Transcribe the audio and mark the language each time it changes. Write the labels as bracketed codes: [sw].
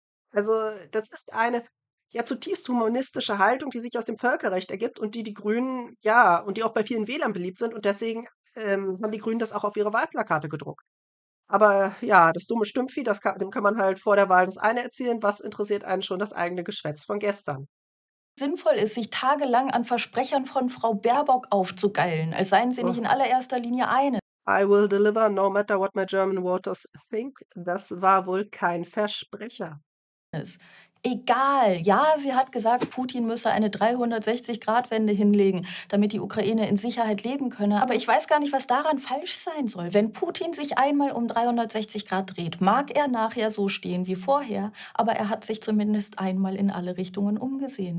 [de] Also, das ist eine ja zutiefst humanistische Haltung, die sich aus dem Völkerrecht ergibt und die die Grünen, ja, und die auch bei vielen Wählern beliebt sind und deswegen haben die Grünen das auch auf ihre Wahlplakate gedruckt. Aber ja, das dumme Stimmvieh, dem kann man halt vor der Wahl das eine erzählen. Was interessiert einen schon das eigene Geschwätz von gestern? sinnvoll ist, sich tagelang an Versprechern von Frau Baerbock aufzugeilen, als seien sie nicht in allererster Linie eine. [en] I will deliver, no matter what my German voters think. [de] Das war wohl kein Versprecher. Egal, ja, sie hat gesagt, Putin müsse eine 360-Grad-Wende hinlegen, damit die Ukraine in Sicherheit leben könne. Aber ich weiß gar nicht, was daran falsch sein soll. Wenn Putin sich einmal um 360 Grad dreht, mag er nachher so stehen wie vorher, aber er hat sich zumindest einmal in alle Richtungen umgesehen.